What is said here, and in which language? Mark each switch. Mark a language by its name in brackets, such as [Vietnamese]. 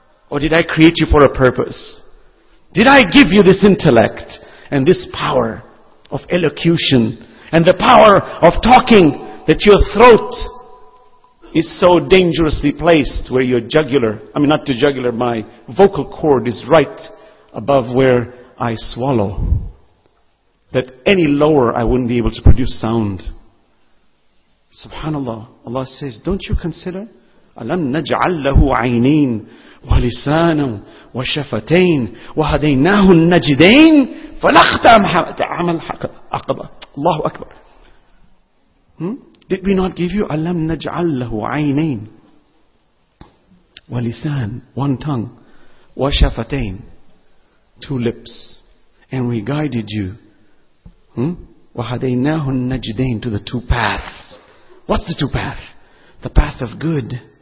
[English] Or did I create you for a purpose? Did I give you this intellect and this power of elocution and the power of talking that your throat is so dangerously placed where your jugular, I mean not the jugular, my vocal cord is right above where I swallow. That any lower I wouldn't be able to produce sound. Subhanallah, Allah says, don't you consider? [Arabic] أَلَمْ نَجْعَلْ لَهُ عَيْنَيْنِ وَلِسَانًا وَشَفَتَيْنِ وَهَدَيْنَاهُ النَّجْدَيْنِ فَلَخْتَمْ عَمَلْ حَقَبَ Allahu Akbar. [English] Did we not give you [Arabic] أَلَمْ نَجْعَلْ لَهُ عَيْنَيْنِ وَلِسَانًا [English] One tongue. وَشَفَتَيْنِ Two lips. And we guided you. [Arabic] وَهَدَيْنَاهُ النَّجْدَيْنِ [English] To the two paths. What's the two paths? The path of good.